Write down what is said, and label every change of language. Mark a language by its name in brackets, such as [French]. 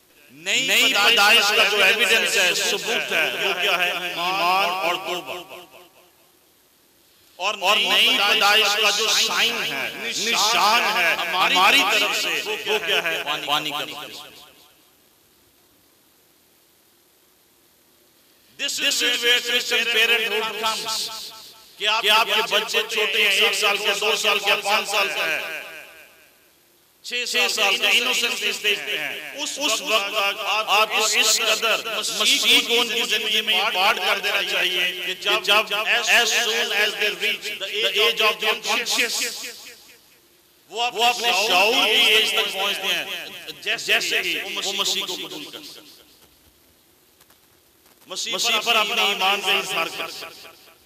[Urdu] نئی پیدائش کا جو ایویڈنس ہے، ثبوت ہے، وہ کیا ہے؟ ایمان اور توبہ. اور نئی پیدائش کا جو سائن ہے، نشان ہے ہماری طرف سے، وہ کیا ہے؟ پانی کا بپتسمہ. [English] This is where Christian parenthood comes. [Urdu] کہ آپ کے بچے چھوٹے ہیں، ایک سال کے، دو سال کے، پانچ سال کا ہے، چھ سال کا، انوسنس اسٹیج پہ ہیں، اس وقت آپ اس قدر مسیح کو ان کی زندگی میں امپارٹ کر دینا چاہیے کہ جب [English] as soon as they reach the age of their conscience [Urdu] وہ اپنے شعور کی ایج تک پہنچتے ہیں، جیسے ہی وہ مسیح کو قبول کر سکتے ہیں، مسیح پر اپنے ایمان پہ اظہار کر سکتے ہیں.